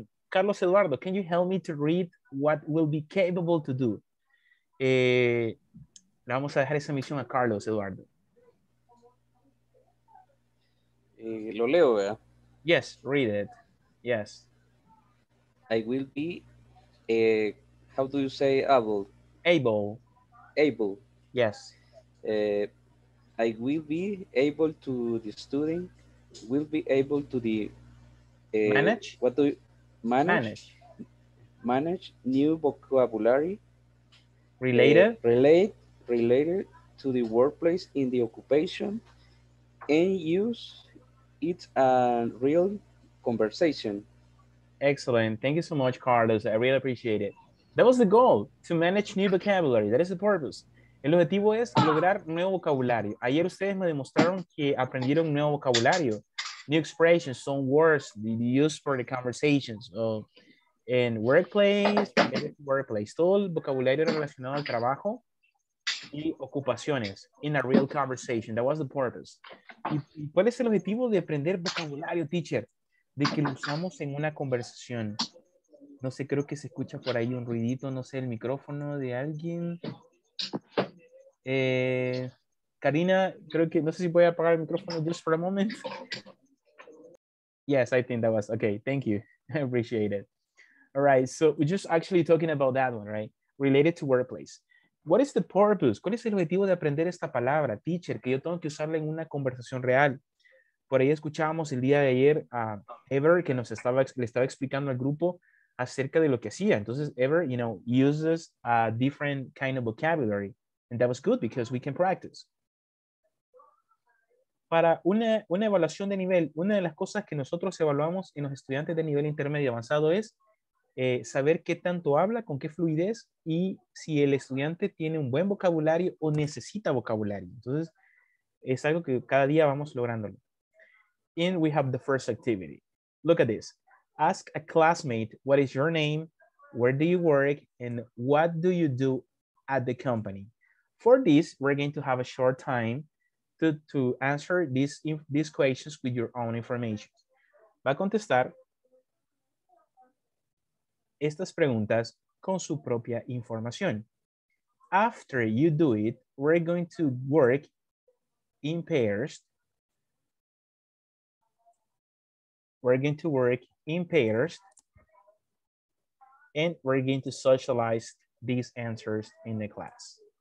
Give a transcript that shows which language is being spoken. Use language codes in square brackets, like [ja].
[en] Carlos Eduardo, can you help me to read what we'll be capable to do? [es] Le vamos a dejar esa misión a Carlos Eduardo. Lo leo, ¿verdad? [en] Yes, read it. Yes. I will be, how do you say able? Able. Able. Yes. I will be able to, the student will be able to the... manage? What do you... Manage. Manage new vocabulary. Related? Related to the workplace in the occupation and use... It's a real conversation. Excellent. Thank you so much, Carlos. I really appreciate it. That was the goal, to manage new vocabulary. That is the purpose. [es] El objetivo es lograr nuevo vocabulario. Ayer ustedes me demostraron que aprendieron nuevo vocabulario. [en] New expressions, some words used for the conversations. In workplace. [es] Todo el vocabulario relacionado al trabajo y ocupaciones [en] in a real conversation. That was the purpose. [es] ¿Y cuál es el objetivo de aprender vocabulario, teacher? De que lo usamos en una conversación. No sé, creo que se escucha por ahí un ruidito, no sé, el micrófono de alguien. Karina, creo que, no sé si voy a apagar el micrófono [en] just for a moment. Yes, I think that was, okay, thank you. I appreciate it. All right, so we're just actually talking about that one, right? Related to workplace. What is the purpose? [es] ¿Cuál es el objetivo de aprender esta palabra, teacher, que yo tengo que usarla en una conversación real? Por ahí escuchábamos el día de ayer a Ever, que nos estaba, le estaba explicando al grupo acerca de lo que hacía. [en] Entonces, Ever, you know, uses a different kind of vocabulary. And that was good because we can practice. [es] Para una evaluación de nivel, una de las cosas que nosotros evaluamos en los estudiantes de nivel intermedio avanzado es saber qué tanto habla, con qué fluidez y si el estudiante tiene un buen vocabulario o necesita vocabulario. Entonces, es algo que cada día vamos lográndolo. [en] And we have the first activity. Look at this. Ask a classmate, what is your name, where do you work, and what do you do at the company? For this, we're going to have a short time to answer these questions with your own information. [es] Va a contestar estas preguntas con su propia información. [en] After you do it, we're going to work in pairs. We're going to work in pairs. And we're going to socialize these answers in the class.